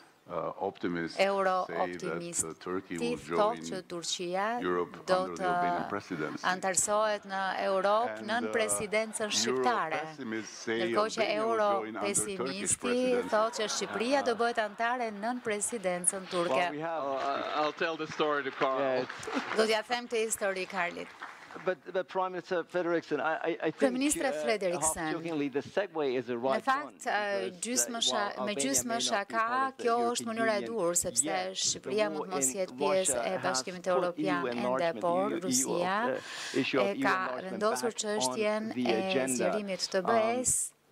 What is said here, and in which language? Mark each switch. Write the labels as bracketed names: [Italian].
[English] Euro optimist. [Albanian] Ti thotë që Turqia do të antarësohet në Europë nën presidencën shqiptare. Ndërkohë që euro pesimisti thotë që Shqipëria do bëhet antare nën presidencën turke. [English] I'll tell the story to Carl. [Albanian] Do t'ja them këtë histori Karlit. [English] But Prime Minister Frederiksen, I think [Albanian] Ministre Frederiksen, [English] the segue is a right one. [Albanian] Në fakt, me gjysmë më shaka, kjo është mënyra e duhur, sepse Shqipëria mund mos jetë pjesë e Bashkimit Evropian ende, por Rusia e ka rëndosur çështjen e zgjerimit të BE-s.